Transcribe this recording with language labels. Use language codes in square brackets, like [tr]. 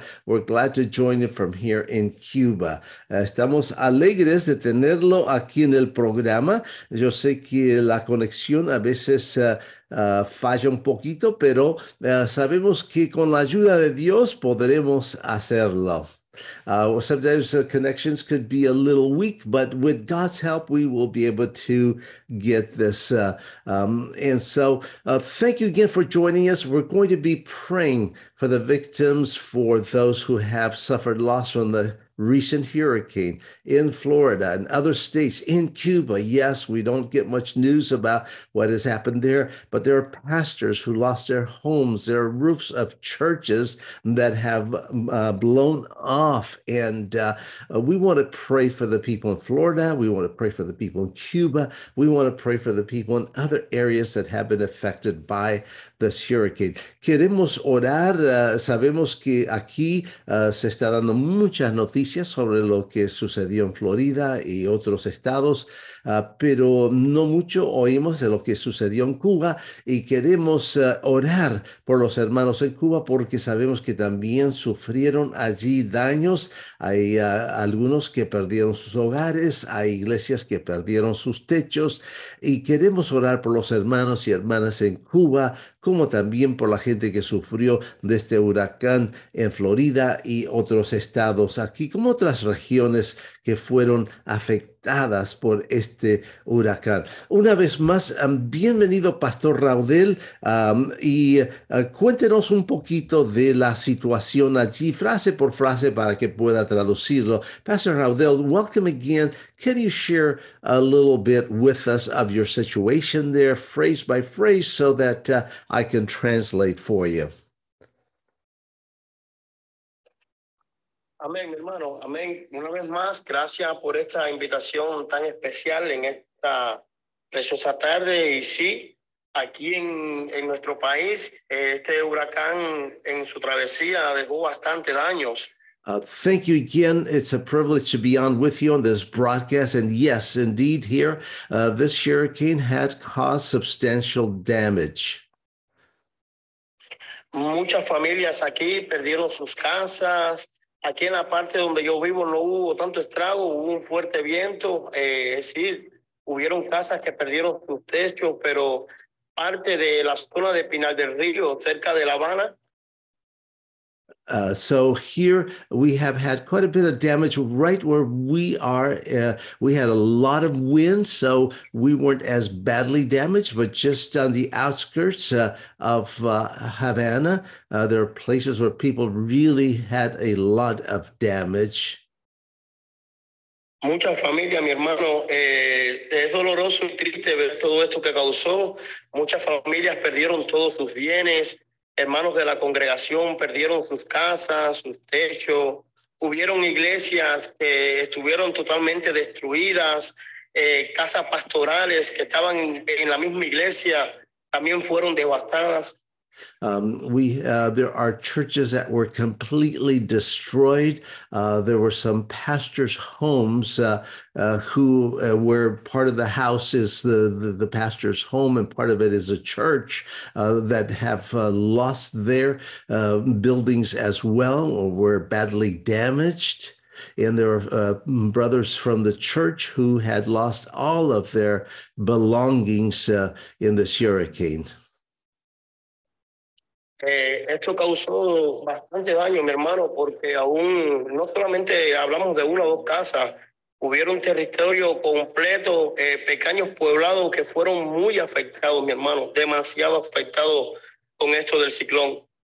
[en] We're glad to join you from here in Cuba. [es] Estamos alegres de tenerlo aquí en el programa. Yo sé que la conexión a veces falla un poquito, pero sabemos que con la ayuda de Dios podremos hacerlo. [en] Sometimes the connections could be a little weak, but with God's help, we will be able to get this. And so thank you again for joining us. We're going to be praying for the victims, for those who have suffered loss from the recent hurricane in Florida and other states, in Cuba. Yes, we don't get much news about what has happened there, but there are pastors who lost their homes. There are roofs of churches that have blown off. And we want to pray for the people in Florida. We want to pray for the people in Cuba. We want to pray for the people in other areas that have been affected by this hurricane. [es] Queremos orar. Sabemos que aquí se está dando muchas noticias sobre lo que sucedió en Florida y otros estados, pero no mucho oímos de lo que sucedió en Cuba, y queremos orar por los hermanos en Cuba porque sabemos que también sufrieron allí daños. Hay algunos que perdieron sus hogares, hay iglesias que perdieron sus techos, y queremos orar por los hermanos y hermanas en Cuba, como también por la gente que sufrió de este huracán en Florida y otros estados aquí, como otras regiones que fueron afectadas por este huracán. Una vez más, bienvenido, Pastor Raudel, y cuéntenos un poquito de la situación allí, frase por frase, para que pueda traducirlo. [en] Pastor Raudel, welcome again. Can you share a little bit with us of your situation there, phrase by phrase, so that I can translate for you? [es] Amén, mi hermano. Amén. Una vez más, gracias por esta invitación tan especial en esta preciosa tarde. Y sí, aquí en nuestro país, este huracán en su travesía dejó bastante daños. [en] Thank you again. It's a privilege to be on with you on this broadcast. And yes, indeed, here, this hurricane had caused substantial damage. [es] Muchas familias aquí perdieron sus casas. Aquí en la parte donde yo vivo no hubo tanto estrago, hubo un fuerte viento, hubieron casas que perdieron sus techos, pero parte de la zona de Pinal del Río, cerca de La Habana. [en] So here we have had quite a bit of damage right where we are. We had a lot of wind, so we weren't as badly damaged, but just on the outskirts of Havana, there are places where people really had a lot of damage. [es] Mucha familia, mi hermano, es doloroso y triste ver todo esto que causó. Muchas familias perdieron todos sus bienes. Hermanos de la congregación perdieron sus casas, sus techos. Hubieron iglesias que estuvieron totalmente destruidas. Casas pastorales que estaban en la misma iglesia también fueron devastadas. [en] There are churches that were completely destroyed. There were some pastors' homes who were part of the house is the pastor's home, and part of it is a church that have lost their buildings as well, or were badly damaged. And there are brothers from the church who had lost all of their belongings in this hurricane. [es] Esto causó bastante daño, mi hermano, porque aún no solamente hablamos de una o dos casas, hubieron territorio completo, pequeños poblados que fueron muy afectados, mi hermano, demasiado afectados con esto del ciclón.